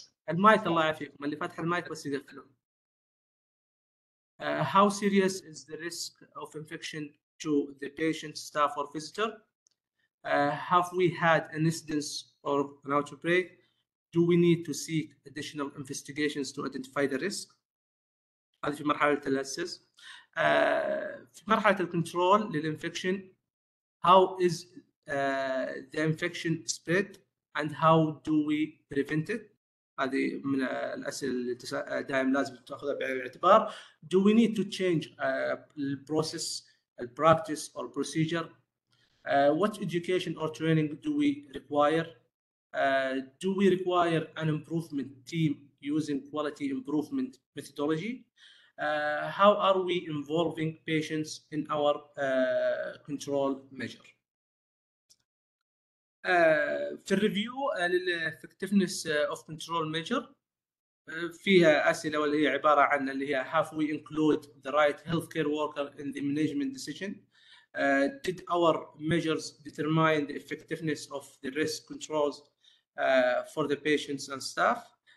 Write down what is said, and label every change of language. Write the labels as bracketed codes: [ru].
[ar] المايك الله يعافيكم اللي فاتح المايك بس يقفله. [en] How serious is the risk of infection to the patient, staff or visitor? Have we had an incidence or an outbreak? Do we need to seek additional investigations to identify the risk? [ar] هذه في مرحلة الأسس. في مرحلة الكنترول للإنفكشن. [en] How is the infection spread and how do we prevent it? [ar] هذه من الأسئلة اللي دائم لازم تأخذها بعين الاعتبار. [en] Do we need to change the process, the practice or procedure? What education or training do we require? Do we require an improvement team using quality improvement methodology? How are we involving patients in our control measure? [ar] في الريفيو للإفكتيفنس أوف كنترول ميجر فيها أسئلة واللي هي عبارة عن اللي هي [en] have we include the right healthcare worker in the management decision? Did our measures determine the effectiveness of the risk controls for the patients and staff?